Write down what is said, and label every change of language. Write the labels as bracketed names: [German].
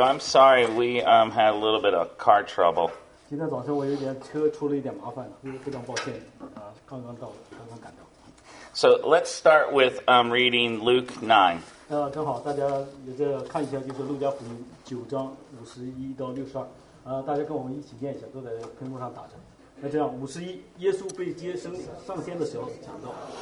[English] I'm sorry we had a little bit of car trouble. [Chinese] 今天早上我有点车出了一点麻烦，非常抱歉，刚刚到，刚刚赶到。 [English] So let's start with reading Luke 9. [Chinese] 那正好大家也在看一下，就是路加福音九章五十一到六十二。大家跟我们一起念一下，都在屏幕上打着。那这样，五十一，耶稣被接升上天的时候讲到。